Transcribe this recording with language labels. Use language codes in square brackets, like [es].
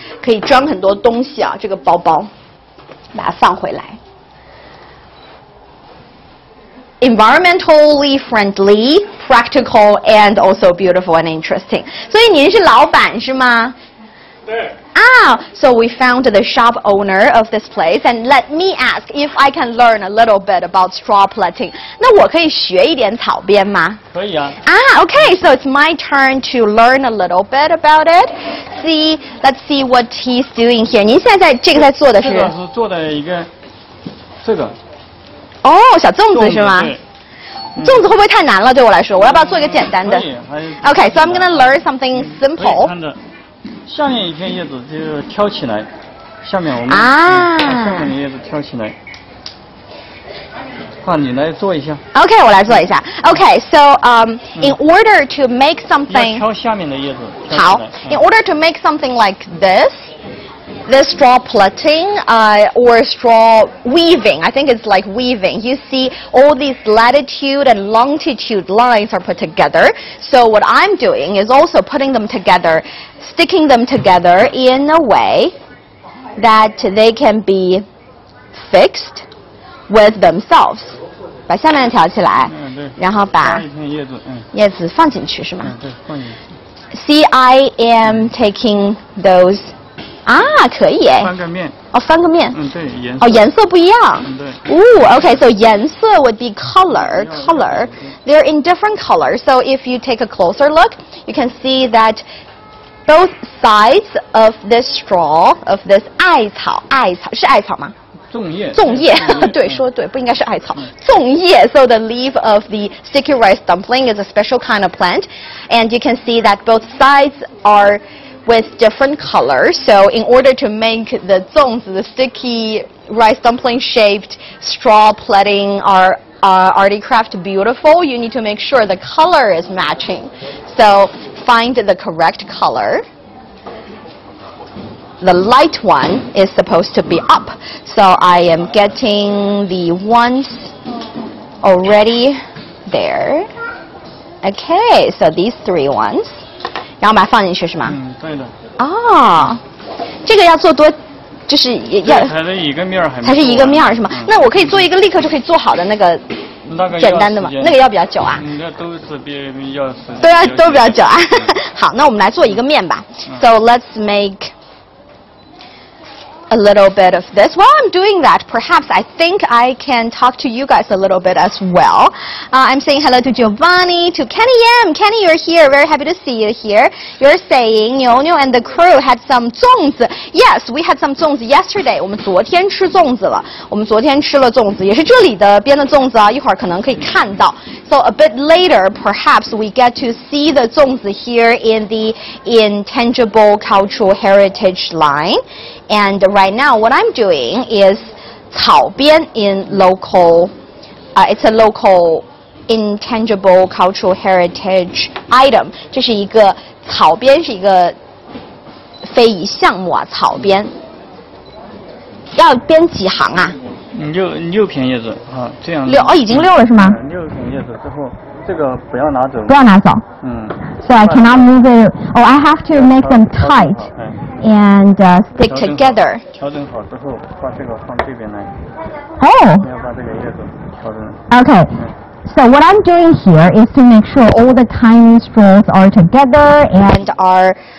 [zh] 可以装很多东西啊，这个包包。把它放回来。 [en] Environmentally friendly, practical, and also beautiful and interesting. [zh] 所以您是老板是吗？ [en] Ah, so we found the shop owner of this place, and let me ask if I can learn a little bit about straw plating. [zh] 那我可以学一点草编吗？可以啊。 [en] Ah, okay, so it's my turn to learn a little bit about it. See, let's see what he's doing here. [zh] 您现在这个在做的是？这个是做的一个，这个。哦、oh, ，小粽子是吗？粽子会不会太难了？对我来说，我要不要做一个简单的？可以。 [en] Okay, so I'm gonna learn something simple. [zh] 下面一片叶子就挑起来，下面我们把下面的叶子挑起来。好，你来做一下。 [en] OK， [zh] 我来做一下。 [en] OK， so in order to make something， [zh] 要挑下面的叶子。 [en] 好 ，in order to make something like this。 The straw plaiting or straw weaving, I think it's like weaving. You see all these latitude and longitude lines are put together. So what I'm doing is also putting them together, sticking them together in a way that they can be fixed with themselves. [zh] 把下面的挑起来，然后把叶子放进去是吗？对，放进去。 [en] See, I am taking those... [zh] 啊，可以哎！翻个面哦，翻个面。嗯，对，颜色。哦，颜色不一样。嗯，对。 [en] 哦 ，OK， so 颜色 would be color. They're in different colors. So if you take a closer look, you can see that both sides of this straw of this 艾草， [zh] 艾草是艾草吗？粽叶，粽叶，对，说对，不应该是艾草。 [en] 粽叶 ，so the leaf of the sticky rice dumpling is a special kind of plant, and you can see that both sides are. With different colors, so in order to make the zongzi, the sticky rice dumpling-shaped straw plaiting or artifact beautiful, you need to make sure the color is matching. So find the correct color. The light one is supposed to be up. So I am getting the ones already there. Okay, so these three ones. [zh] 然后把它放进去是吗？嗯，对的。哦，这个要做多，就是要才是一个面儿还没才是一个面儿是吗、嗯？那我可以做一个立刻就可以做好的那个简单的吗？那个要比较久啊。那都是别要时对啊，都比较久啊。好，那我们来做一个面吧。嗯、 [en] so let's make a little bit of this. While I'm doing that, perhaps I think I can talk to you guys a little bit as well. I'm saying hello to Giovanni, to Kenny M. Kenny, you're here. Very happy to see you here. You're saying Niuniu and the crew had some 粽子. Yes, we had some 粽子 yesterday. [zh] 我们昨天吃粽子了。我们昨天吃了粽子，也是这里的编的粽子啊。一会儿可能可以看到。 [en] So a bit later, perhaps we get to see the 粽子 here in the intangible cultural heritage line. And right now, what I'm doing is 草编 in local, it's a local intangible cultural heritage item. [zh] 这是一个草编是一个非遗项目啊，草编。要编几行啊？六片叶子啊，这样。六哦，已经六了是吗？六片叶子之后，这个不要拿走。不要拿走。嗯。 [en] So I cannot move it. Oh, I have to make them tight and stick together. [zh] 调整好之后，把这个放这边来。哦。要把这个叶子调整。 [en] Okay. So what I'm doing here is to make sure all the tiny straws are together and are